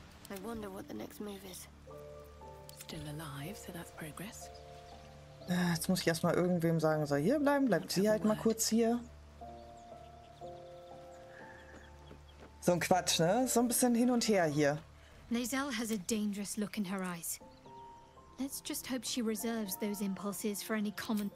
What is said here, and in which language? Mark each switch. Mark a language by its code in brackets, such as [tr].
[en] I wonder what the next move is. Still alive, so that's progress. [de] Jetzt muss ich erstmal irgendwem sagen, soll hier bleiben. Bleibt sie halt mal kurz hier. So ein Quatsch, ne? So ein bisschen hin und her hier. [en] Nazel has a dangerous look in her eyes. Let's just hope she reserves those impulses for any common.